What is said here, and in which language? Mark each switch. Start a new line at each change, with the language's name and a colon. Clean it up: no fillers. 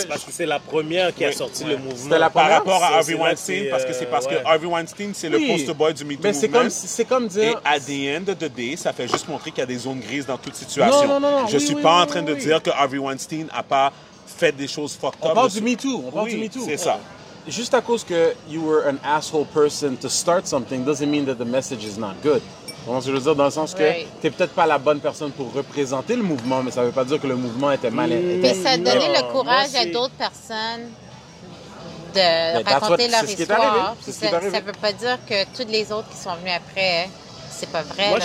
French: C'est la première qui a sorti le mouvement. C'était la première. Par rapport à Harvey Weinstein, parce que c'est parce que Harvey Weinstein, c'est le poster boy du MeToo movement. C'est comme dire... Et à
English: the end of the day,
French: ça fait juste montrer qu'il y a des zones grises dans toute situation. Je ne suis pas en train de dire que Harvey Weinstein n'a pas fait des choses fucked up. On parle du MeToo. C'est ça. Juste à cause que
English: you were an asshole person to start something, doesn't mean that the message is not good.
French: Donc, je veux dire, dans le sens que tu n'es peut-être pas la bonne personne pour représenter le mouvement, mais ça ne veut pas dire que le mouvement était mal. Puis ça a donné le courage à d'autres personnes de raconter leur histoire. Ça ne veut pas dire que toutes les autres qui sont venues après, ce n'est pas vrai.